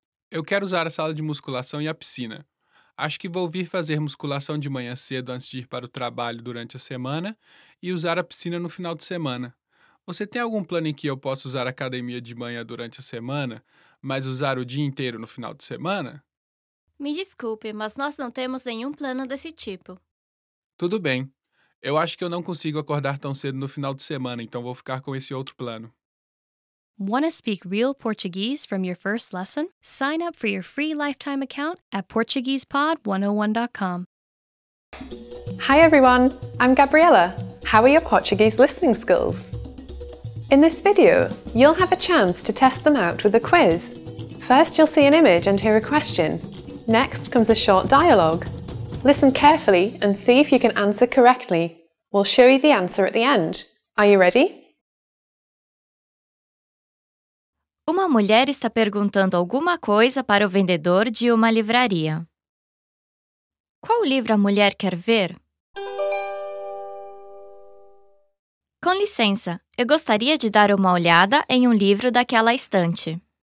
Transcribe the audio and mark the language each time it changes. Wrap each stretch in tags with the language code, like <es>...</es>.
<pt>Eu quero usar a sala de musculação e a piscina. Acho que vou vir fazer musculação de manhã cedo antes de ir para o trabalho durante a semana e usar a piscina no final de semana. Você tem algum plano em que eu possa usar a academia de manhã durante a semana, mas usar o dia inteiro no final de semana? Me desculpe, mas nós não temos nenhum plano desse tipo. Tudo bem. Eu acho que eu não consigo acordar tão cedo no final de semana, então vou ficar com esse outro plano.</pt> <en>Want to speak real Portuguese from your first lesson? Sign up for your free lifetime account at PortuguesePod101.com. Hi everyone, I'm Gabriela. How are your Portuguese listening skills? In this video, you'll have a chance to test them out with a quiz. First, you'll see an image and hear a question. Next comes a short dialogue. Listen carefully and see if you can answer correctly. We'll show you the answer at the end. Are you ready?</en> <pt>Uma mulher está perguntando alguma coisa para o vendedor de uma livraria. Qual livro a mulher quer ver? Com licença, eu gostaria de dar uma olhada em um livro daquela estante.</pt>